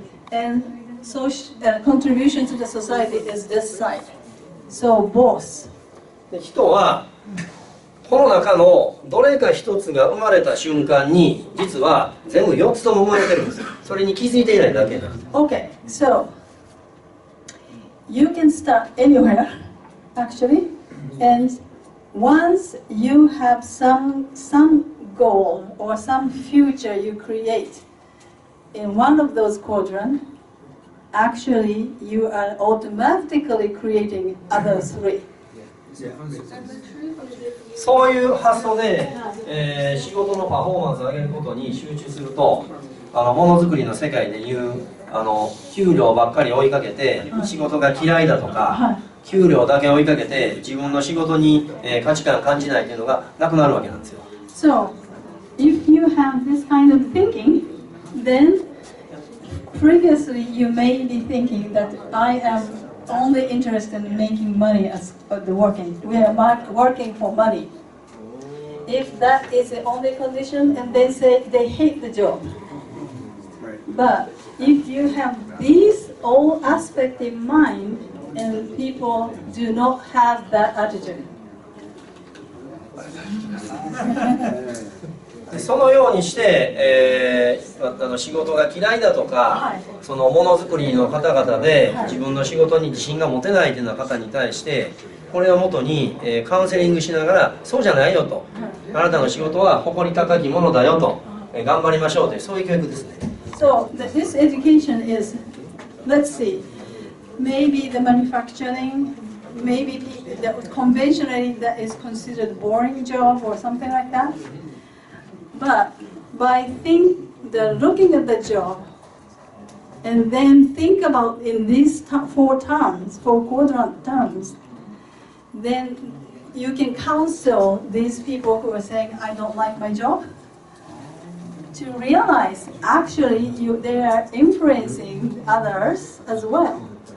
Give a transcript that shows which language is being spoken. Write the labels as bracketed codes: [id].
[en] And contribution to the society is this side. So both. [ja] 人はこの中のどれか一つが生まれた瞬間に実は全部四つとも生まれてるんです。それに気づいていないだけなんです。 [en] Okay. So you can start anywhere, actually. And once you have some goal or some future you create. In one of those quadrants, actually, you are automatically creating other three. Yeah. [ja] そういう発想で、仕事のパフォーマンスを上げることに集中すると、ものづくりの世界でいう給料ばっかり追いかけて仕事が嫌いだとか、給料だけ追いかけて自分の仕事に、価値観を感じないというのがなくなるわけなんですよ。 [en] So, if you have this kind of thinking,Then, previously you may be thinking that I am only interested in making money as the working. We are working for money. If that is the only condition, and they say they hate the job. But if you have these all aspects in mind, and people do not have that attitude. [ja] そのようにして、仕事が嫌いだとか、はい、そのものづくりの方々で自分の仕事に自信が持てないというような方に対して、これをもとに、カウンセリングしながら、そうじゃないよと、はい、あなたの仕事は誇り高きものだよと、頑張りましょうという、そういう教育ですね。 [en] So, this education is, let's see, maybe the manufacturing, maybe the conventionally that is considered boring job or something like that. But by looking at the job and then think about in these four quadrant terms, then you can counsel these people who are saying, I don't like my job, to realize actually they are influencing others as well.